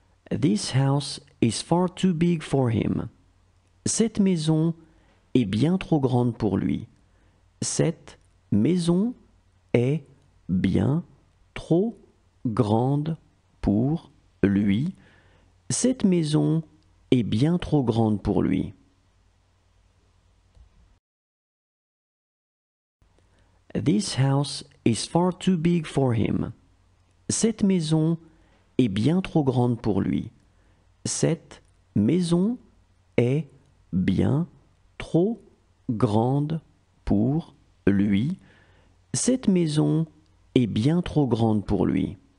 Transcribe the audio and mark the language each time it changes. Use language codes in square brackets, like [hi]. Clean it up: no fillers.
[en] This house is far too big for him. [fr] Cette maison est bien trop grande pour lui. Cette maison est bien trop grande pour lui. Cette maison est bien trop grande pour lui. [en] This house is far too big for him. [fr] Cette maison est bien trop grande pour lui. Cette maison est bien trop grande pour lui. Cette maison est bien trop grande pour lui.